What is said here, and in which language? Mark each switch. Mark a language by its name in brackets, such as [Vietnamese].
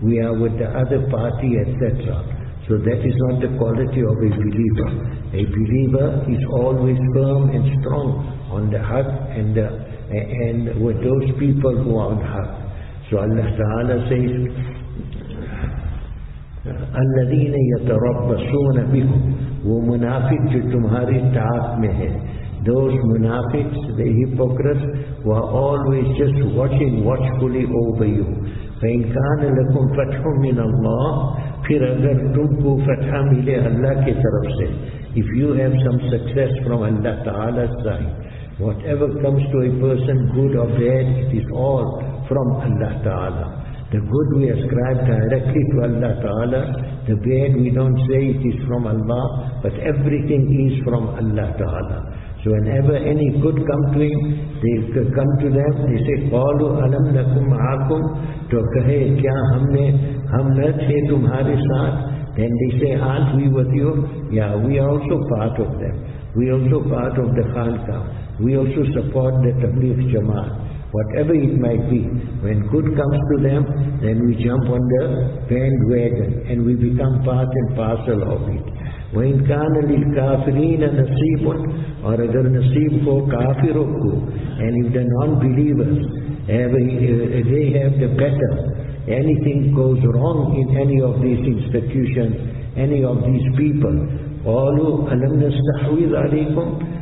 [English] We are with the other party, etc. So that is not the quality of a believer. A believer is always firm and strong on the haq and with those people who are on haq. So Allah Ta'ala says, [Arabic] الَّذِينَ يَتَرَبَّصُونَ بِكُمْ. [Urdu] وہ منافق جو تمہاری طاق میں ہیں. [English] Those منافقs, the hypocrites, who are always just watching watchfully over you. [Arabic] فَإِنْ كَانَ لَكُمْ فَتْحٌ مِّنَ اللَّهِ. [Urdu] پھر اگر تم کو فتح ملے اللہ کے طرف سے. [English] If you have some success from Allah Ta'ala's side, whatever comes to a person, good or bad, it is all from Allah Ta'ala. The good we ascribe directly to Allah Ta'ala, the bad we don't say it is from Allah, but everything is from Allah Ta'ala. So whenever any good come to him, they come to them, they say, [Arabic] قَالُوا أَلَمْ لَكُمْ مَعَكُمْ. [Urdu] تو کہے کیا ہم نہ تھے تمہارے ساتھ. [English] Then they say, aren't we with you? Yeah, we are also part of them. We are also part of the Khalqa. We also support the Tabligh Jamaat. Whatever it might be, when good comes to them, then we jump on the bandwagon and we become part and parcel of it. [Arabic] وَإِنْ كَانَ لِلْكَافِرِينَ نَصِيبٌ. [English] Or [Urdu] اگر نصیب ہو کافروں کو. [English] And if the non-believers, they have the better, anything goes wrong in any of these institutions, any of these people, [Arabic] قَالُوا أَلَمْ نَسْتَحْوِذْ عَلَيْكُمْ.